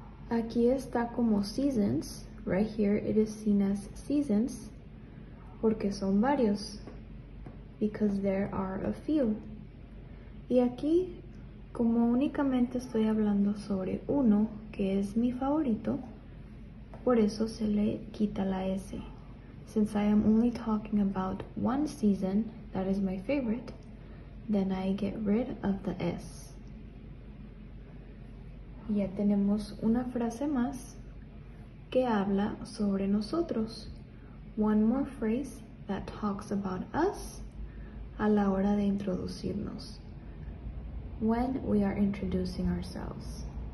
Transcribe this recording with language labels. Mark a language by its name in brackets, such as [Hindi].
[Spanish] Aquí está como [English] seasons. Right here it is seen as seasons. [Spanish] Porque son varios. [English] Because there are a few. [Spanish] Y aquí, como únicamente estoy hablando sobre uno, que es mi favorito, por eso se le quita la S. [English] Since I am only talking about one season, that is my favorite, then I get rid of the S. [Spanish] Ya tenemos una frase más que habla sobre nosotros. [English] One more phrase that talks about us [Spanish] a la hora de introducirnos. [English] When we are introducing ourselves.